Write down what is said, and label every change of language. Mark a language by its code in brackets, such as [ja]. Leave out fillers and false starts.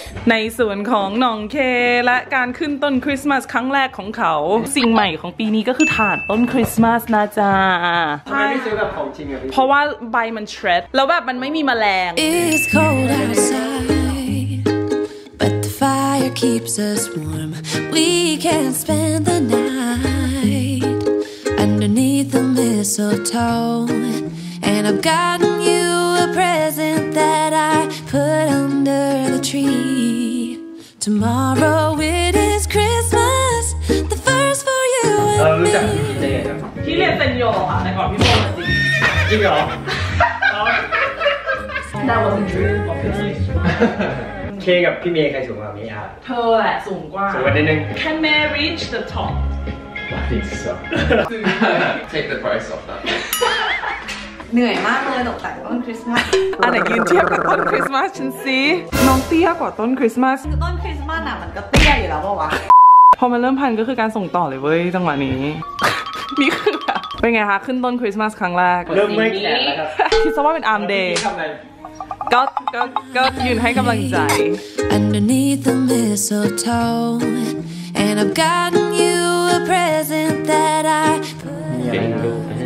[th] ในส่วนของน้องเคและการขึ้นต้นคริสต์มาสครั้งแรกของเขาสิ่งใหม่ของปีนี้ก็คือถ่านต้นคริสต์มาสนะจ๊ะ ทำไมไม่ซื้อแบบของจริงอ่ะพี่ เพราะว่าใบมันเชร็ดแล้วแบบมันไม่มีแมลง [en] It's cold outside But the fire keeps us warm We can't spend the night Underneath the mistletoe And I've gotten youPresent that I put under the tree Tomorrow it is Christmas The first for you and me [th] เออรู้จักพี่เซน ยองพี่เซนยองอ่ะแต่ก่อนพี่โซนจริง จริงเหร [en] อ That was a dream of yours [th] เคกับพี่เมย์ใครสูงกว่าเมย์อ่ะ เธอแหละสูงกว่า สูงกว่านิดนึง [en] Can Mary reach the top? I think so Take the price off that [th] เหนื่อยมากเลยตกแต่งต้นคริสต์มาส อันไหนยืนเทียบกับต้นคริสต์มาสฉันสิน้องเตี้ยกว่าต้นคริสต์มาส คือต้นคริสต์มาสน่ะมันก็เตี้ยอยู่แล้วปะวะ พอมันเริ่มพันก็คือการส่งต่อเลยเว้ยจังหวะนี้มีคือแบบเป็นไงคะขึ้นต้นคริสต์มาสครั้งแรก เริ่มไม่แข็งแล้วครับ คิดซะว่าเป็นอาร์มเดย์ก็ยืนให้กำลังใจ [en] Underneath the mistletoe and I've gotten you a present that I put on